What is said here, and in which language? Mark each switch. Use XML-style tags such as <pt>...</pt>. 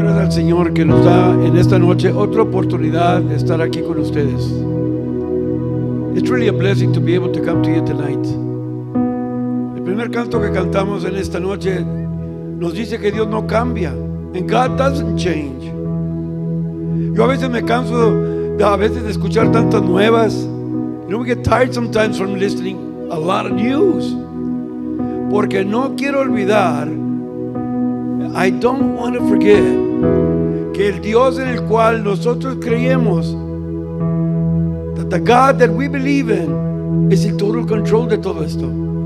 <es>Señor, que nos da en esta noche otra oportunidad de estar aquí con ustedes.</es> <en>It's really a blessing to be able to come to you tonight.</en> <es>El primer canto que cantamos en esta noche nos dice que Dios no cambia.</es> <en>And God doesn't change.</en> <es>Yo a veces me canso de escuchar tantas nuevas.</es> <en>You know, we get tired sometimes from listening a lot of news.</en> <es>Porque no quiero olvidar,</es> <en>I don't want to forget,</en> <es>que el Dios en el cual nosotros creemos,</es> <en>that the God that we believe in, is in total control</en> <es>de todo esto.</es>